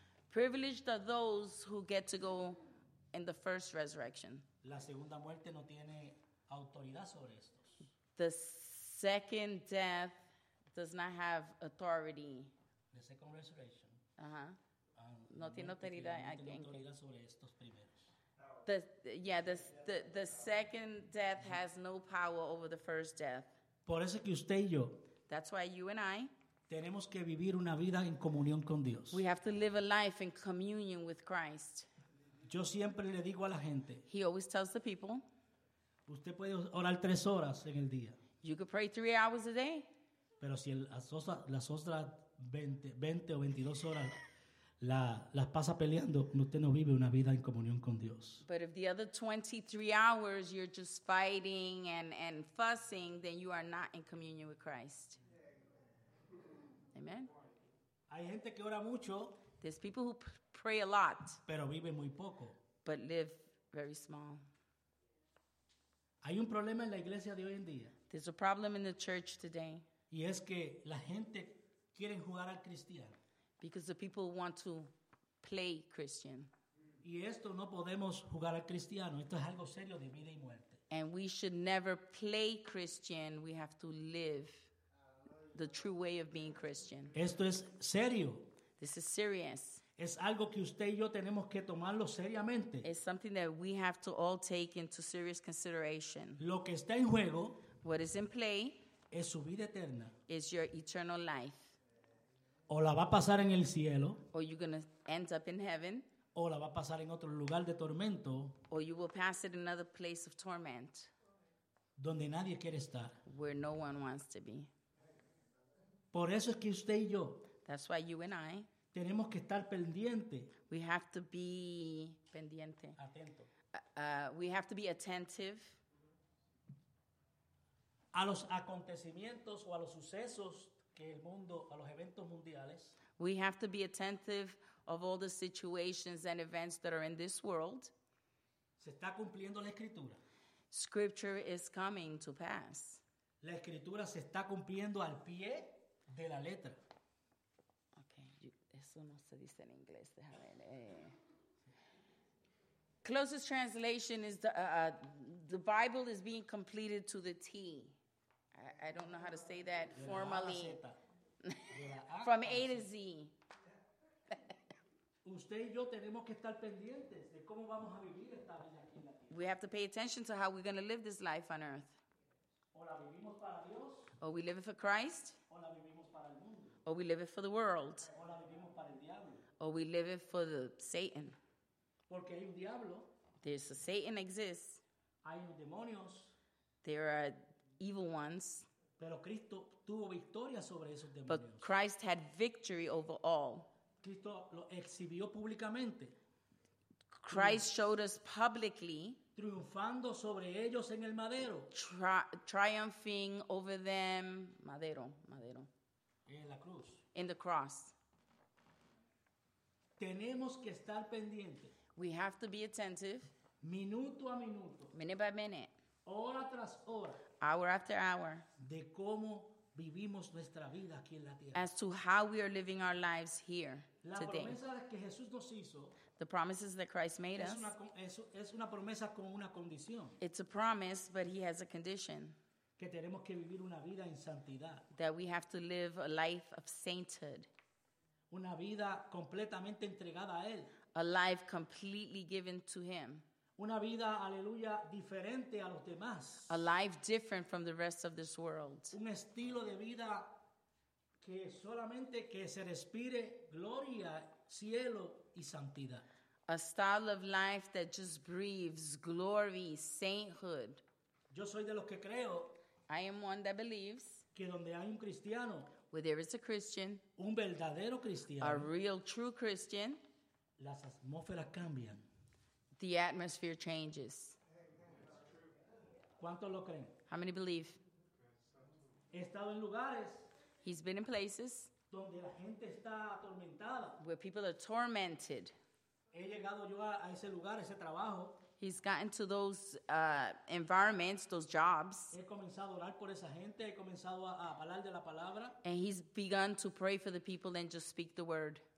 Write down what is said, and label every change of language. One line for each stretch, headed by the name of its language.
English: Privileged are those who get to go in the first resurrection.
Spanish: La segunda muerte no tiene autoridad sobre estos.
English: The second death does not have authority. The second resurrection.
Spanish: Uh-huh. No tiene autoridad. No tiene autoridad sobre estos primeros.
English: The second death has no power over the first death.
Spanish: Por eso que usted y yo.
English: That's why you and I.
Spanish: Tenemos que vivir una vida en comunión con Dios.
English: We have to live a life in communion with Christ.
Spanish: Yo siempre le digo a la gente.
English: He always tells the people.
Spanish: Usted puede orar 3 horas en el día.
English: You could pray 3 hours a day.
Spanish: Pero si las otras 20 o 22 horas las pasa peleando, usted no vive una vida en comunión con Dios.
English: But if the other 23 hours you're just fighting and fussing, then you are not in communion with Christ. Amen.
Spanish: Hay gente que ora mucho.
English: There's people who pray a lot.
Spanish: Pero vive muy poco.
English: But live very small.
Spanish: Hay un problema en la iglesia de hoy en día.
English: There's a problem in the church today.
Spanish: Y es que la gente quiere jugar al cristiano.
English: Because the people want to play Christian.
Spanish: Y esto no podemos jugar al cristiano. Esto es algo serio de vida y muerte.
English: And we should never play Christian. We have to live the true way of being Christian.
Spanish: Esto es serio.
English: This is serious.
Spanish: Es algo que usted y yo tenemos que tomarlo seriamente.
English: It's something that we have to all take into serious consideration.
Spanish: Lo que está en juego,
English: what is in play,
Spanish: es su vida eterna.
English: Is your eternal life.
Spanish: O la va a pasar en el cielo,
English: or you're going to end up in heaven,
Spanish: o la va a pasar en otro lugar de tormento,
English: or you will pass it in another place of torment,
Spanish: donde nadie quiere estar.
English: Where no one wants to be.
Spanish: Por eso es que usted y yo,
English: that's why you and I,
Spanish: tenemos que estar pendiente.
English: We have to be
Spanish: pendiente. Atento.
English: We have to be attentive
Spanish: a los acontecimientos o a los sucesos que el mundo, a los eventos mundiales.
English: We have to be attentive of all the situations and events that are in this world.
Spanish: Se está cumpliendo la escritura.
English: Scripture is coming to pass.
Spanish: La escritura se está cumpliendo al pie de la letra. Okay, eso no se dice en inglés. Déjame
English: Closest translation is the Bible is being completed to the T. I don't know how to say that formally. From A to Z.
Spanish: Usted y yo tenemos que estar pendientes de cómo vamos a vivir esta vida aquí en la tierra.
English: We have to pay attention to how we're going to live this life on earth.
Spanish: O la vivimos para Dios.
English: Or we live it for Christ.
Spanish: O la vivimos para el mundo.
English: Or we live it for the world.
Spanish: O la vivimos para el diablo.
English: Or we live it for the Satan.
Spanish: Porque hay un diablo.
English: There's a Satan exists.
Spanish: Hay unos demonios.
English: There are evil ones.
Spanish: Pero Cristo tuvo victoria sobre esos demonios.
English: But Christ had victory over all.
Spanish: Cristo lo exhibió públicamente.
English: Christ showed us publicly.
Spanish: Triunfando sobre ellos en el madero.
English: Triumphing over them.
Spanish: Madero. En la cruz.
English: In the cross.
Spanish: Tenemos que estar pendientes.
English: We have to be attentive.
Spanish: Minuto a minuto.
English: Minute by minute.
Spanish: Hora tras hora.
English: Hour after hour.
Spanish: De cómo vivimos nuestra vida aquí en la tierra.
English: As to how we are living our lives here
Spanish: la
English: today.
Spanish: Promesa que Jesús nos hizo,
English: the promises that Christ made
Spanish: es
English: us.
Spanish: Es una promesa con una condición.
English: It's a promise, but he has a condition.
Spanish: Que tenemos que vivir una vida en santidad.
English: That we have to live a life of sainthood.
Spanish: Una vida completamente entregada a él.
English: A life completely given to him.
Spanish: Una vida, aleluya, diferente a los demás.
English: A life different from the rest of this world.
Spanish: Un estilo de vida que solamente que se respire gloria, cielo y santidad.
English: A style of life that just breathes glory, sainthood.
Spanish: Yo soy de los que creo.
English: I am one that believes.
Spanish: Que donde hay un cristiano.
English: Where there is a Christian.
Spanish: Un verdadero cristiano.
English: A real true Christian.
Spanish: Las atmósferas cambian.
English: The atmosphere changes.
Spanish: ¿Cuántos lo creen?
English: How many believe?
Spanish: He estado en lugares.
English: He's been in places.
Spanish: Donde la gente está atormentada.
English: Where people are tormented.
Spanish: He llegado yo a ese lugar, ese trabajo.
English: He's gotten to those environments, those jobs.
Spanish: He comenzado a orar por esa gente. He comenzado a hablar de la palabra.
English: And he's begun to pray for the people and just speak the word.